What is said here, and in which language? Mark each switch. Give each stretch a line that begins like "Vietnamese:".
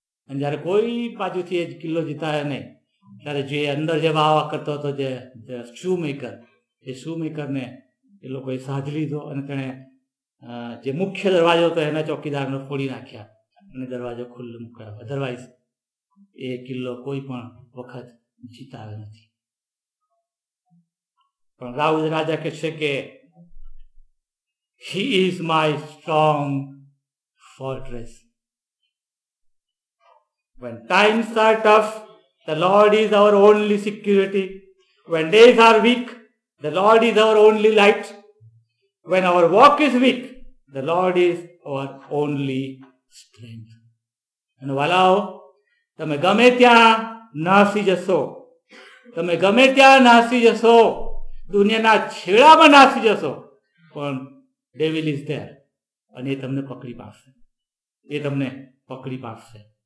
Gujarati: અને જ્યારે કોઈ બાજુથી એ કિલ્લો જીતાયો નહીં, ત્યારે જે અંદર જવા આવા કરતો હતો જે શૂમેકર, એ શૂમેકરને એ લોકોએ સાજ લીધો, અને તેણે જે મુખ્ય દરવાજો હતો એના ચોકીદારને ફોડી નાખ્યા અને દરવાજો ખુલ્લો મૂક્યો. અધરવાઇઝ એ કિલ્લો કોઈ પણ વખત જીતાયો નથી. પણ રાઉદ રાજા કહે છે કે
English: He is my strong fortress. When times are tough, the Lord is our only security. When days are weak, the Lord is our only light. When our walk is weak, the Lord is our only strength.
Gujarati: And વાલાઓ, તમે ગમે ત્યાં નાસી જશો, તમે ગમે ત્યાં નાસી જશો, દુનિયાના છેડામાં નાસી જશો, પણ
English: devil is there,
Gujarati: અને એ તમને પકડી પાડશે, એ તમને પકડી પાડશે.